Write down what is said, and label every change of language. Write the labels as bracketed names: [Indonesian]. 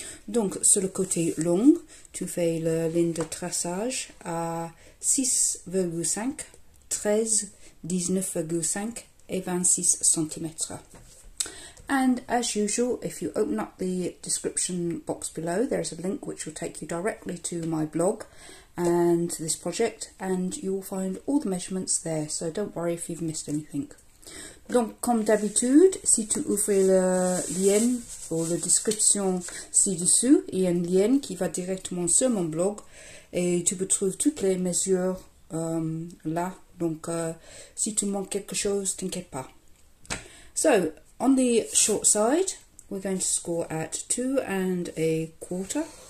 [French] Donc sur le côté long, tu fais la ligne de traçage à 6.5, 13, 19.5, [English] and 26 centimeters. And as usual, if you open up the description box below, there's a link which will take you directly to my blog and this project, and you'll find all the measurements there, so don't worry if you've missed anything. [French] Donc, comme d'habitude, si tu ouvres le lien ou la description ci-dessous, il y a un lien qui va directement sur mon blog et tu peux trouver toutes les mesures là. Donc, si tu manques quelque chose, t'inquiète pas. [English] So, on the short side, we're going to score at 2.25.